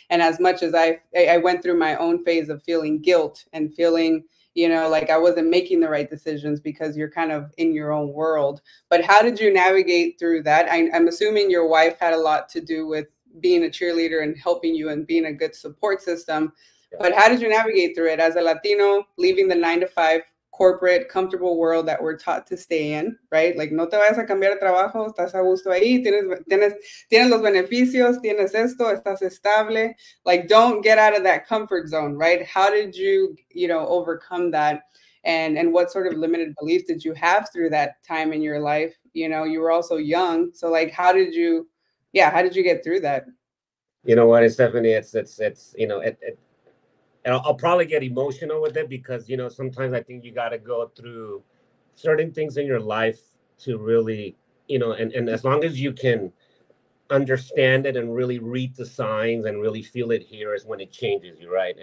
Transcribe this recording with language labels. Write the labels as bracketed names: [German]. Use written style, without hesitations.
[English] And as much as I went through my own phase of feeling guilt and feeling, you know, like I wasn't making the right decisions because you're kind of in your own world. But how did you navigate through that? I'm assuming your wife had a lot to do with being a cheerleader and helping you and being a good support system. But how did you navigate through it as a Latino leaving the 9-to-5 corporate comfortable world that we're taught to stay in, right? [Spanish] Like, no te vayas a cambiar de trabajo, estás a gusto ahí, tienes los beneficios, tienes esto, estás estable. [English] Like, don't get out of that comfort zone, right? How did you, you know, overcome that? And what sort of limited beliefs did you have through that time in your life? You know, you were also young. So like, how did you get through that? You know what, Stephanie, it's, you know, and I'll probably get emotional with it because, you know, sometimes I think you got to go through certain things in your life to really, you know, and as long as you can understand it and really read the signs and really feel it here is when it changes you, right?